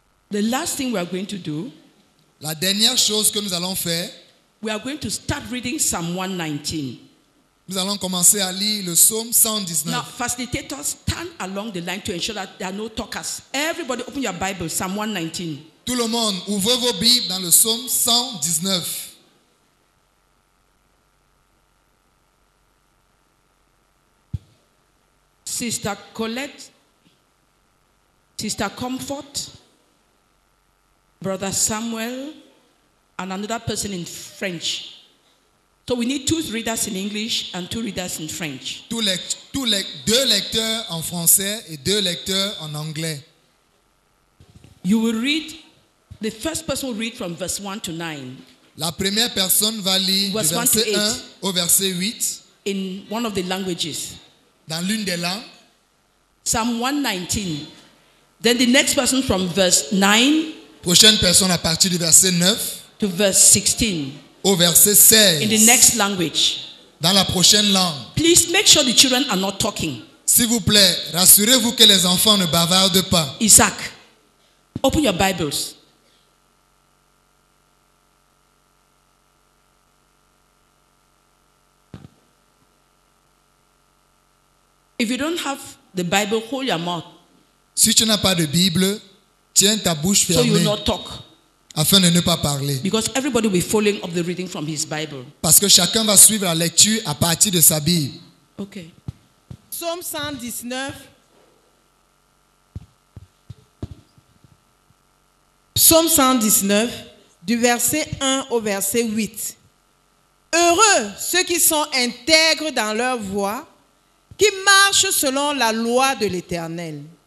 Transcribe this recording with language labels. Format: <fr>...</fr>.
<en>The last thing we are going to do.</en> <fr>La dernière chose que nous allons faire.</fr> <en>We are going to start reading Psalm 119.</en> <fr>Nous allons commencer à lire le psaume 119.</fr> <en>Now, facilitators, stand along the line to ensure that there are no talkers. Everybody, open your Bible, Psalm 119.</en> <fr>Tout le monde, ouvrez vos Bibles dans le psaume 119.</fr> <en>Sister Colette, Sister Comfort, Brother Samuel, and another person in French. So we need two readers in English and two readers in French.</en> <fr>Deux lecteurs en français et deux lecteurs en anglais.</fr> <en>You will read, the first person will read from verse 1 to 9.</en> <fr>La première personne va lire du verset 1 au verset 8.</fr> <en>In one of the languages.</en> <fr>Dans l'une des langues.</fr> <en>Psalm 119. Then the next person from verse 9.</en> <fr>Prochaine personne à partir du verset 9.</fr> <en>To verse 16.</en> <fr>Au verset 16.</fr> <en>In the next language.</en> <fr>Dans la prochaine langue.</fr> <en>Please make sure the children are not talking.</en> <fr>S'il vous plaît, rassurez-vous que les enfants ne bavardent pas.</fr> <en>Isaac, open your Bibles. If you don't have the Bible, hold your mouth.</en> <fr>Si tu n'as pas de Bible, tiens ta bouche fermée.</fr> <en>So you will not talk.</en> <fr>Afin de ne pas parler.</fr> <en>Because everybody will be following up the reading from his Bible.</en> <fr>Parce que chacun va suivre la lecture à partir de sa Bible.</fr> <en>Okay.</en> <fr>Psaume 119. Psaume 119, du verset 1 au verset 8. Heureux ceux qui sont intègres dans leur voie, qui marchent selon la loi de l'Éternel.</fr>